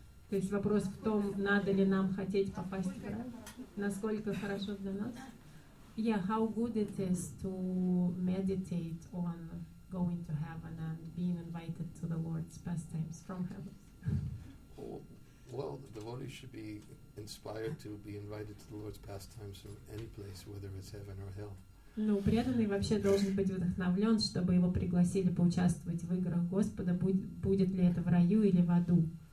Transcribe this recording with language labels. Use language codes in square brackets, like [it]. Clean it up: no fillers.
[ru] То есть вопрос в том, надо ли нам хотеть попасть в рай? Насколько хорошо для нас? [en] Yeah, how good it is to meditate on going to heaven and being invited to the Lord's pastimes from heaven? Well, the devotee should be inspired to be invited to the Lord's pastimes from any place, whether it's heaven or hell. [ru] Ну, преданный вообще должен быть вдохновлен, чтобы его пригласили поучаствовать в играх Господа, будет ли это в раю или в аду.